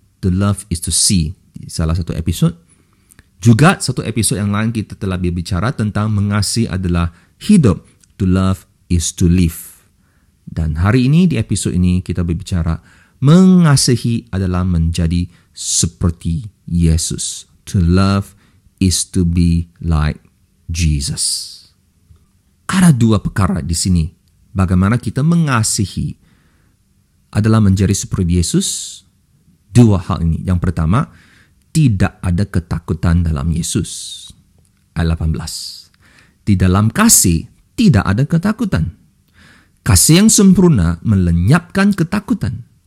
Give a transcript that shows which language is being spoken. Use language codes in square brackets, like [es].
[en] The love is to see. [id] Salah satu episode. Juga satu episode yang lain kita telah berbicara tentang mengasihi adalah hidup. [en] To love is to live. [id] Dan hari ini di episode ini kita berbicara mengasihi adalah menjadi seperti Yesus. [en] To love is to be like Jesus. [id] Ada dua perkara di sini. Bagaimana kita mengasihi adalah menjadi seperti Yesus. Dua hal ini. Yang pertama, tidak ada ketakutan dalam Yesus. Ayat 18. Di dalam kasih, tidak ada ketakutan. Kasih yang sempurna melenyapkan ketakutan.